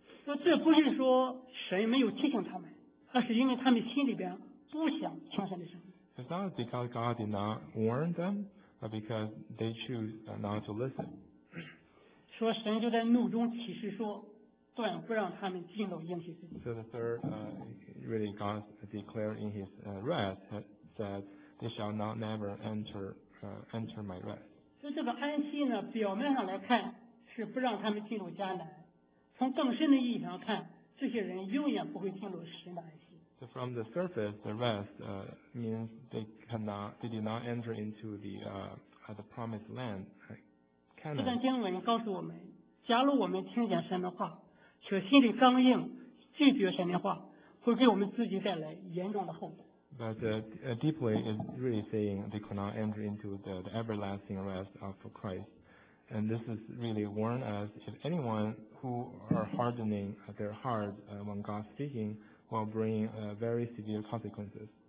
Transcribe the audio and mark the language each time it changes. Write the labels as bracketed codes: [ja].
[zh] 那这不是说神没有提醒他们，而是因为他们心里边不想听神的声音。 [en] It's not because God did not warn them, but because they choose not to listen. [zh] 说神就在怒中启示说，断不让他们进入应许之地。 [en] So the third, really God declared in his wrath that they shall not never enter my rest. [zh] 所以这个安息呢，表面上来看是不让他们进入迦南，从更深的意义上看，这些人永远不会进入神的安息。 [en] So from the surface, the rest means they did not enter into the promised land. [zh] 这段经文告诉我们，假如我们听见神的话，却心里刚硬，拒绝神的话，会给我们自己带来严重的后果。 [en] But deeply is really saying they cannot enter into the everlasting rest of Christ, and this is really warn us if anyone who are hardening their heart when God's speaking. Will bring very severe consequences.